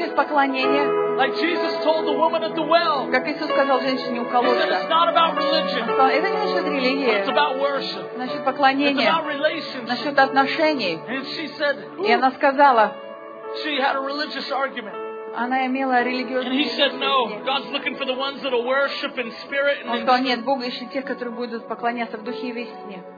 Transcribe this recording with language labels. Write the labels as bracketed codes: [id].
[en] Like Jesus told the woman at the well. [ru] Как Иисус сказал женщине у колодца. [en] He said, it's not about religion. [ru] Он сказал, это не насчет религии. [en] It's about worship. [ru] Насчет поклонения. [en] It's about relationship. [ru] Насчет отношений. [en] And she said, [ru] и она сказала. [en] She had a religious argument. [ru] Она имела религиозное. [en] And he said, no. God's looking for the ones that will worship in spirit and in truth. [ru] Он сказал, нет, Бог ищет тех, которые будут поклоняться в духе и в истине.